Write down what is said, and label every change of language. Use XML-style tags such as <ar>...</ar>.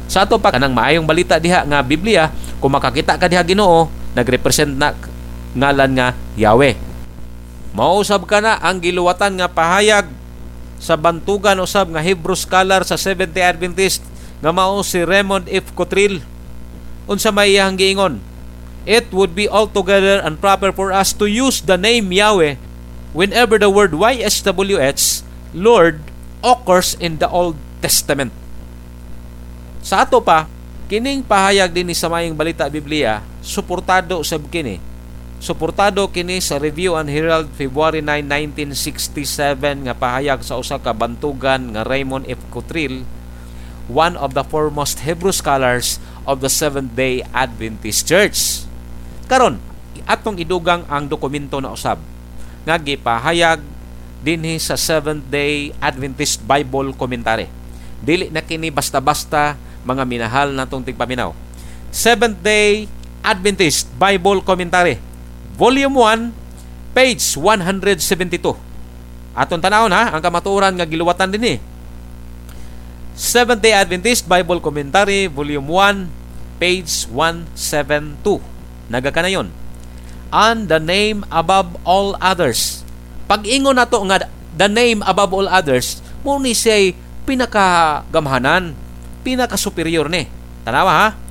<ceb>Sa ato pa kanang maayong balita diha nga Biblia, kung makakita ka diha Ginoo, nagrepresent na ngalan nga Yahweh. Mausab ka na ang giluwatan nga pahayag sa bantugan usab nga Hebrew scholar sa Seventh-day Adventist nga mao si Raymond F. Cotrill. Unsa may iyang giingon?</ceb> <en>It would be altogether improper for us to use the name Yahweh whenever the word YHWH, Lord, occurs in the Old Testament.</en> <ceb>Sa ato pa, kining pahayag din ni sa maayong balita Biblia, suportado sa kini. Suportado kini sa Review and Herald February 9, 1967 nga pahayag sa usa ka bantugan nga Raymond F.</ceb> <en>Cotrill, one of the foremost Hebrew scholars of the Seventh-day Adventist Church.</en> <ceb>Karon, atong idugang ang dokumento na usab nga gipahayag dinhi sa Seventh-day Adventist Bible Commentary. Dili na kini basta-basta mga minahal natong tigpaminaw.</ceb> <en>Seventh-day Adventist Bible Commentary, Volume 1, page 172.</en> <ceb>Atong tanawon ha, ang kamatuoran nga giluwatan dinhi.</ceb> <en>Seventh-day Adventist Bible Commentary, Volume 1, page 172. Nagakanayon. And the name above all others.</en> <ceb>Pag-ingon nato nga</ceb> <en>the name above all others,</en> <ceb>muni say pinakagamhanan, pinakasuperior ni. Tanawa ha?</ceb>